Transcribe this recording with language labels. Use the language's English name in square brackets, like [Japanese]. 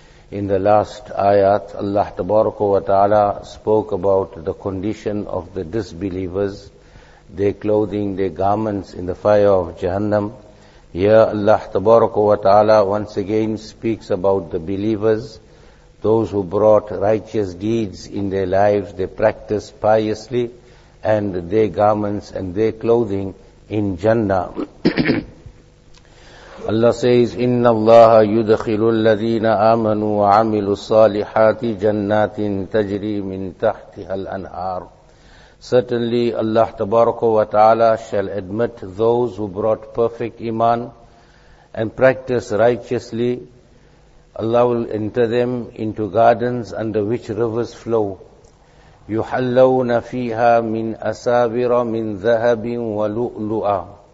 [English] In the last ayat, Allah tabaraka wa ta'ala spoke about the condition of the disbelievers, their clothing, their garments in the fire of Jahannam. Here Allah tabaraka wa ta'ala once again speaks about the believers, those who brought righteous deeds in their lives, they practiced piously, and their garments and their clothing in Jannah. Allah says, [Arabic] إِنَّ اللَّهَ يُدْخِلُ الَّذِينَ آمَنُوا وَعَمِلُوا الصَّالِحَاتِ جَنَّاتٍ تَجْرِي مِن تَحْتِهَا الْأَنْهَارِ. [English] Certainly Allah tabaraka wa ta'ala shall admit those who brought perfect iman and practiced righteously. Allah will enter them into gardens under which rivers flow. [Arabic] يُحَلَّوْنَ فِيهَا مِنْ أَسَابِرَ مِنْ ذَهَبٍ وَلُؤْلُؤَ.